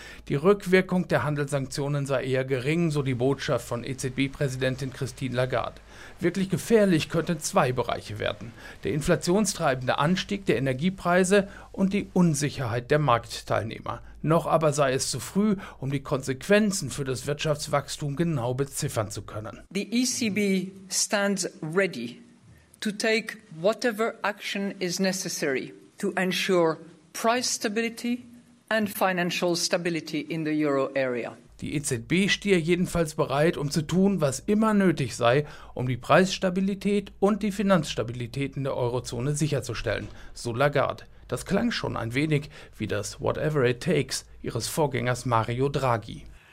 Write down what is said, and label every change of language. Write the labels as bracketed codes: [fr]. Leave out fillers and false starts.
[de] Die Rückwirkung der Handelssanktionen sei eher gering, so die Botschaft von EZB-Präsidentin Christine Lagarde. Wirklich gefährlich könnten zwei Bereiche werden: der inflationstreibende Anstieg der Energiepreise und die Unsicherheit der Marktteilnehmer. Noch aber sei es zu früh, um die Konsequenzen für das Wirtschaftswachstum genau beziffern zu können. [en] The ECB stands ready to take whatever action is necessary to ensure price stability and financial stability in the euro area. [de] Die EZB stehe jedenfalls bereit, um zu tun, was immer nötig sei, um die Preisstabilität und die Finanzstabilität in der Eurozone sicherzustellen, so Lagarde. Das klang schon ein wenig wie das [en] Whatever it takes [de] ihres Vorgängers Mario Draghi.